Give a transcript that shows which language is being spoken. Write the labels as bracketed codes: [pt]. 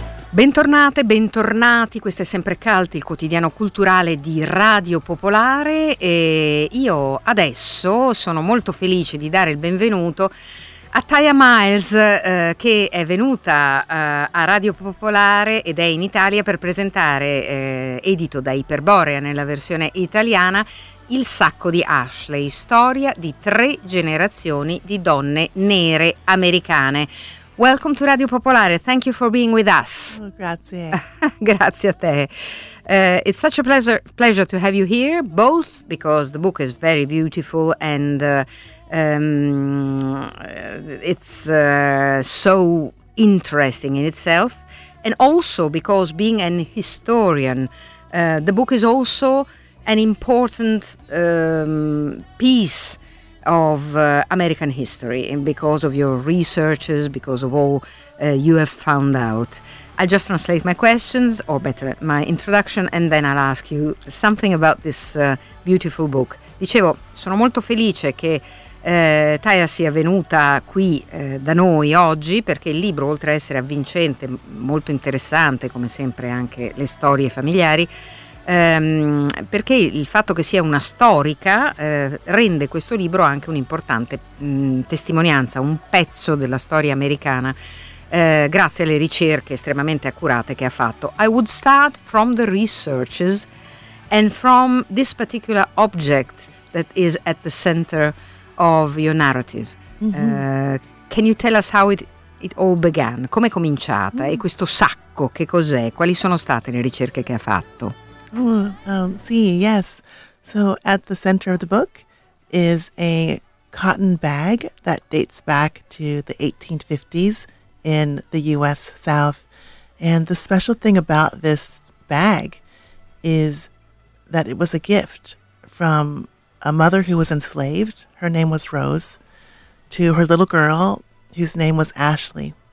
[it] Bentornate, bentornati, questo è sempre Cult, il quotidiano culturale di Radio Popolare, e io adesso sono molto felice di dare il benvenuto a Taya Miles, che è venuta a Radio Popolare ed è in Italia per presentare, edito da Iperborea nella versione italiana, Il sacco di Ashley, storia di tre generazioni di donne nere americane. [en] Welcome to Radio Popolare, thank you for being with us. [it] Grazie. Grazie a te. [en] It's such a pleasure to have you here, both because the book is very beautiful and it's so interesting in itself, and also because being an historian, the book is also an important piece of American history, and because of your researches, because of all you have found out. I'll just translate my questions, or better, my introduction, and then I'll ask you something about this beautiful book. [it] Dicevo, sono molto felice che Taya sia venuta qui da noi oggi, perché il libro, oltre a essere avvincente, molto interessante, come sempre anche le storie familiari, perché il fatto che sia una storica rende questo libro anche un'importante testimonianza, un pezzo della storia americana, grazie alle ricerche estremamente accurate che ha fatto. [en] I would start from the researches and from this particular object that is at the center of your narrative. Can you tell us how it all began? [it] Come è cominciata? E questo sacco, che cos'è? Quali sono state le ricerche che ha fatto? [en] Yes. So at the center of the book is a cotton bag that dates back to the 1850s in the U.S. South. And the special thing about this bag is that it was a gift from a mother who was enslaved, her name was Rose, to her little girl whose name was Ashley.